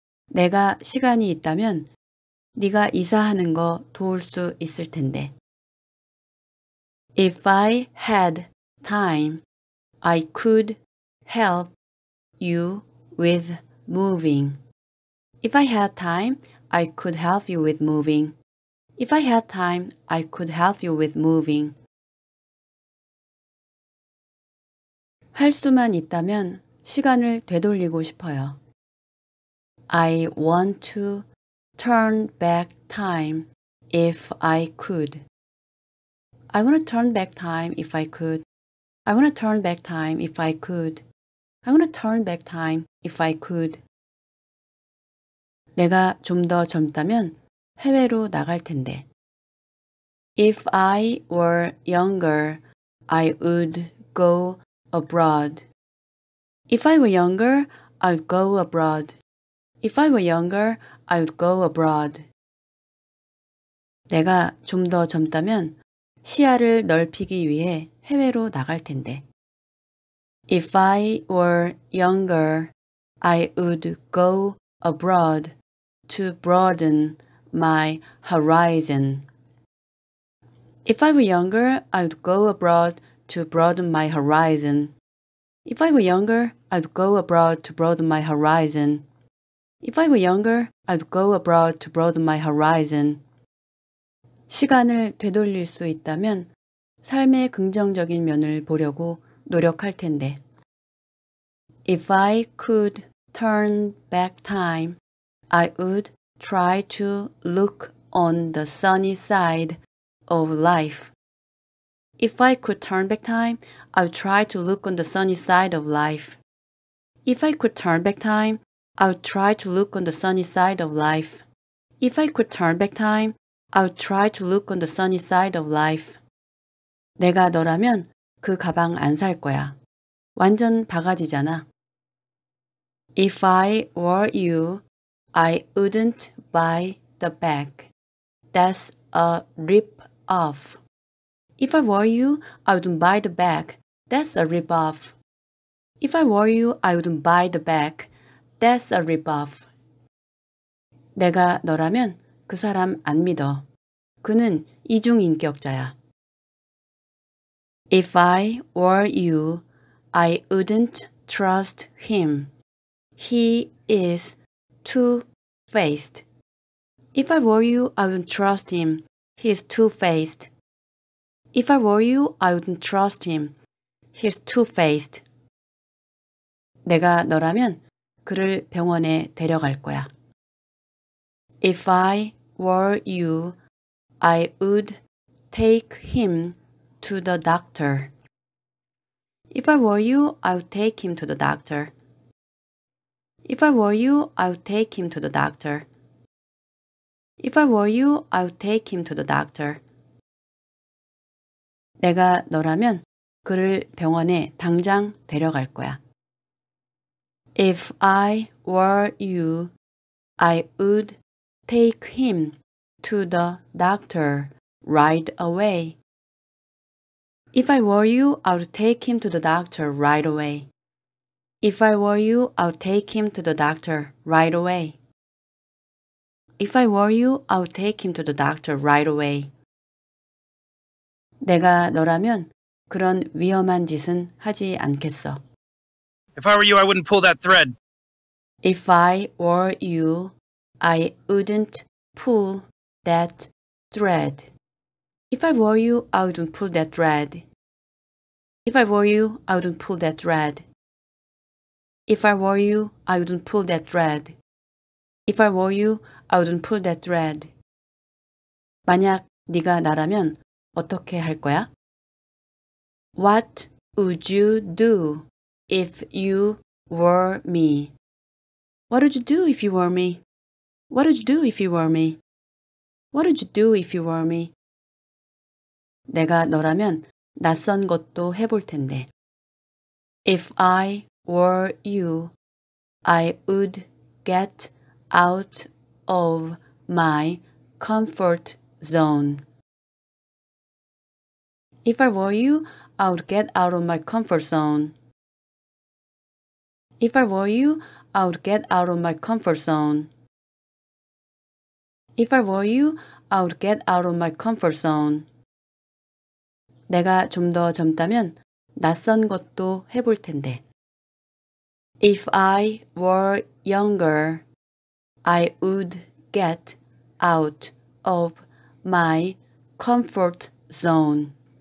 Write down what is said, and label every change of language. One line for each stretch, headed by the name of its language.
Korean: 내가 시간이 있다면 네가 이사하는 거 도울 수 있을 텐데.
English: If I had time, I could help you with moving. If I had time, I could help you with moving. If I had time, I could help you with moving.
Korean: 할 수만 있다면 시간을 되돌리고 싶어요.
English: I want to turn back time if I could. I want to turn back time if I could. I want to turn back time if I could. I want to turn back time if I could.
Korean: 내가 좀 더 젊다면 해외로 나갈 텐데.
English: If I were younger, I would go abroad. If I were younger, I'd go abroad. If I were younger, I'd go abroad.
Korean: 내가 좀 더 젊다면 시야를 넓히기 위해 해외로 나갈 텐데.
English: If I were younger, I would go abroad to broaden my horizon. If I were younger, I would go abroad to broaden my horizon. If I were younger, I'd go abroad to broaden my horizon. If I were younger, I'd go abroad to broaden my horizon.
Korean: 시간을 되돌릴 수 있다면 삶의 긍정적인 면을 보려고 노력할 텐데.
English: If I could turn back time, I would try to look on the sunny side of life. If I could turn back time, I would try to look on the sunny side of life. If I could turn back time, I would try to look on the sunny side of life. If I could turn back time, I would try to look on the sunny side of life.
Korean: 내가 너라면 그 가방 안 살 거야. 완전 바가지잖아.
English: If I were you, I wouldn't buy the bag. That's a rip-off. If I were you, I wouldn't buy the bag. That's a rip-off. If I were you, I wouldn't buy the bag. That's a rip-off.
Korean: 내가 너라면 그 사람 안 믿어. 그는 이중인격자야.
English: If I were you, I wouldn't trust him. He is two-faced. If I were you, I wouldn't trust him. He is two-faced. If I were you, I wouldn't trust him. He's two-faced.
Korean: 내가 너라면 그를 병원에 데려갈 거야.
English: If I were you, I would take him to the doctor. If I were you, I would take him to the doctor. If I were you, I would take him to the doctor. If I were you, I would take him to the doctor.
Korean: 내가 너라면 그를 병원에 당장 데려갈 거야.
English: If I were you, I would take him to the doctor right away. If I were you, I would take him to the doctor right away. If I were you, I would take him to the doctor right away. If I were you, I would take him to the doctor right away.
Korean: 내가 너라면 그런 위험한 짓은 하지 않겠어.
English: If I were you, I wouldn't pull that thread. If I were you, I wouldn't pull that thread. If I were you, I wouldn't pull that thread. If I were you, I wouldn't pull that thread. If I were you, I wouldn't pull that thread. If I were you, I wouldn't pull that thread.
Korean: 만약 네가 나라면 어떻게 할 거야?
English: What would you do if you were me? What would you do if you were me? What would you do if you were me? What would you do if you were me?
Korean: 내가 너라면 낯선 것도 해볼 텐데.
English: If I were you, I would get out of my comfort zone. If I were you, I would get out of my comfort zone. If I were you, I would get out of my comfort zone. If I were you, I would get out of my comfort zone.
Korean: 내가 좀 더 젊다면 낯선 것도 해볼 텐데.
English: If I were younger, I would get out of my comfort zone.